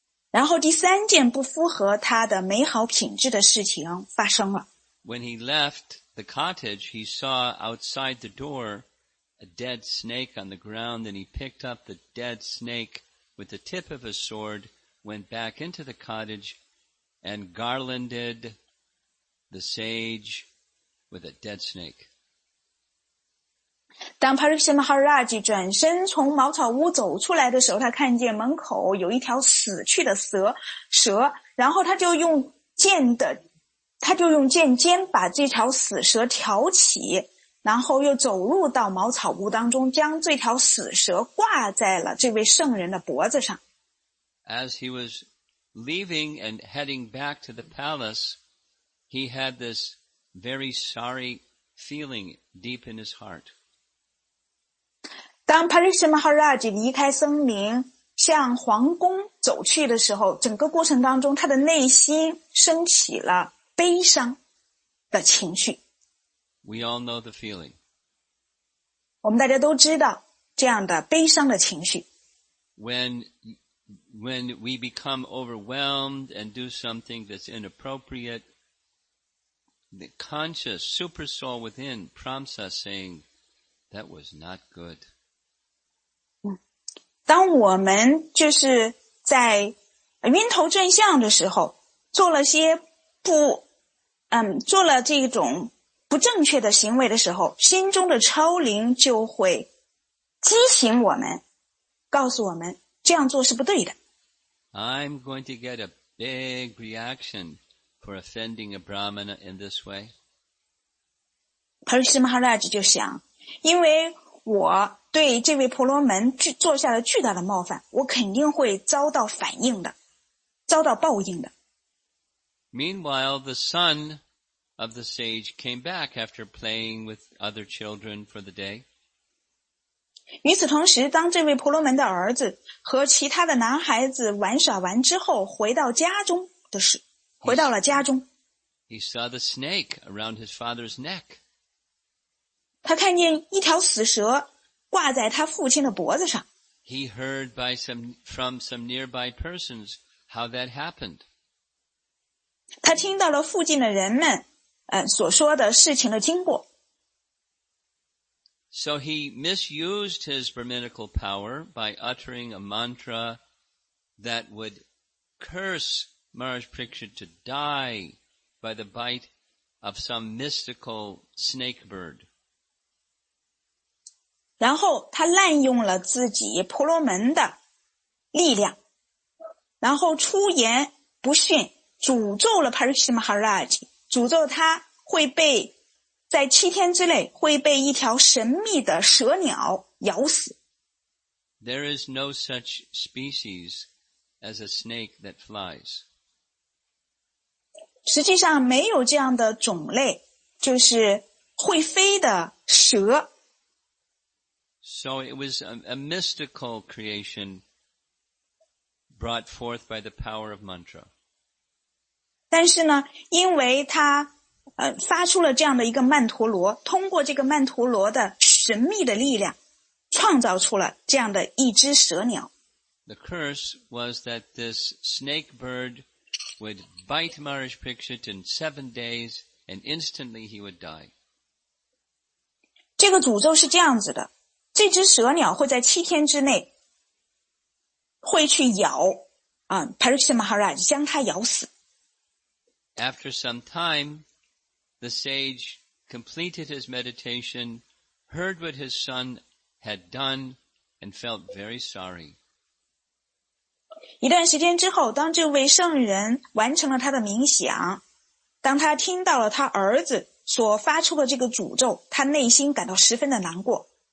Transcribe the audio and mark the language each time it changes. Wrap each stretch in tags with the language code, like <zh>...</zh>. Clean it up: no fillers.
<zh>然后第三件不符合他的美好品质的事情发生了。</zh> <en>When he left the cottage, he saw outside the door a dead snake on the ground, and he picked up the dead snake with the tip of his sword, went back into the cottage, and garlanded the sage with a dead snake.</en> <zh>当 Pariksit Maharaj 转身从茅草屋走出来的时候，他看见门口有一条死去的蛇，然后他就用剑尖把这条死蛇挑起，然后又走入到茅草屋当中，将这条死蛇挂在了这位圣人的脖子上。</zh> <en>As he was leaving and heading back to the palace, he had this very sorry feeling deep in his heart.</en> <zh>当 Pariksit Maharaj 离开森林向皇宫走去的时候，整个过程当中他的内心升起了悲伤的情绪。</zh> <en>We all know the feeling.</en> <zh>我们大家都知道这样的悲伤的情绪。</zh> <en>When we become overwhelmed and do something that's inappropriate, the conscious super soul within prompts us saying, that was not good.</en> <zh>当我们就是在晕头转向的时候，做了些不做了这种不正确的行为的时候，心中的超灵就会激醒我们，告诉我们这样做是不对的。</zh> <en>I'm going to get a big reaction for offending a Brahmana in this way.</en> <zh>Parikshit Maharaj 就想，因为我对这位婆罗门做下了巨大的冒犯，我肯定会遭到反应的，遭到报应的。</zh> <en>Meanwhile, the son of the sage came back after playing with other children for the day.</en> <zh>与此同时，当这位婆罗门的儿子和其他的男孩子玩耍完之后，回到家中的时，回到了家中。</zh> <en>He saw the snake around his father's neck.</en> <zh>他看见一条死蛇挂在他父亲的脖子上。</zh> <en>He heard from some nearby persons how that happened.</en> <zh>他听到了附近的人们所说的事情的经过。</zh> <en>So he misused his brahminical power by uttering a mantra that would curse Maharaj Parikshit to die by the bite of some mystical snake bird.</en> <zh>然后他滥用了自己婆罗门的力量，然后出言不逊，诅咒了 Parikshit Maharaj， 诅咒他会被在七天之内会被一条神秘的蛇鸟咬死。</zh> <en>There is no such species as a snake that flies.</en> <zh>实际上没有这样的种类，就是会飞的蛇。</zh> <en>So it was a mystical creation brought forth by the power of mantra.</en> <zh>但是呢，因为它发出了这样的一个曼陀罗，通过这个曼陀罗的神秘的力量创造出了这样的一只蛇鸟。</zh> <en>The curse was that this snake bird would bite Maharaj Parikshit in 7 days and instantly he would die.</en> <zh>这个诅咒是这样子的，这只蛇鸟会在七天之内会去咬Parikshit Maharaj， 将他咬死。</zh> <en>After some timeThe sage completed his meditation, heard what his son had done, and felt very sorry.</en> <zh>一段时间之后，当这位圣人完成了他的冥想，当他听到了他儿子所发出的这个诅咒，他内心感到十分的难过。</zh>